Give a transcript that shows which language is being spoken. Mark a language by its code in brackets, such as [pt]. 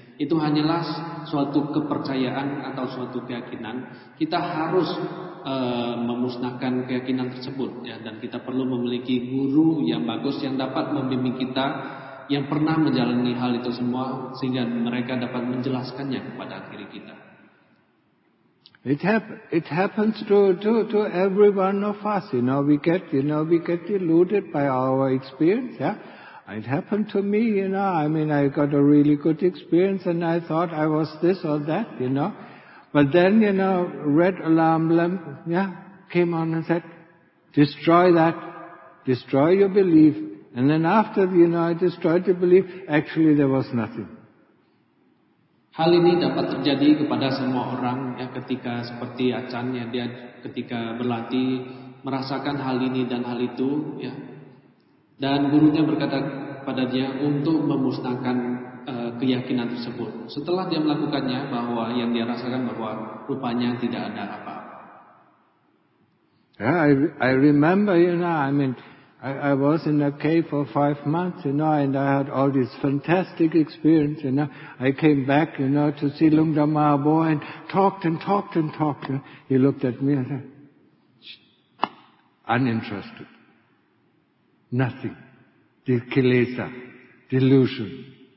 [id] Itu hanyalah suatu kepercayaan atau suatu keyakinan. Kita harus memusnahkan keyakinan tersebut ya, dan kita perlu memiliki guru yang bagus yang dapat membimbing kita, yang pernah menjalani hal itu semua, sehingga mereka dapat menjelaskannya kepada diri kita. [en] It happens to every one of us. You know, we get deluded by our experience. Yeah, it happened to me. You know, I mean, I got a really good experience, and I thought I was this or that. You know, but then you know, red alarm lamp, yeah, came on and said, "Destroy that. Destroy your belief." And then after, you know, I destroyed the belief, actually there was nothing. [id] Hal ini dapat terjadi kepada semua orang ya, ketika seperti Achan ya, dia ketika berlatih merasakan hal ini dan hal itu ya. Dan gurunya berkata kepada dia untuk memusnahkan keyakinan tersebut. Setelah dia melakukannya, bahwa yang dia rasakan bahwa rupanya tidak ada apa. [en] Yeah, I remember, you know, I mean, I was in a cave for 5 months, you know, and I had all this fantastic experience, you know. I came back, you know, to see Lungda Mahabo and talked and talked and talked. You know. He looked at me and said, uninterested. Nothing. The kilesa. Delusion.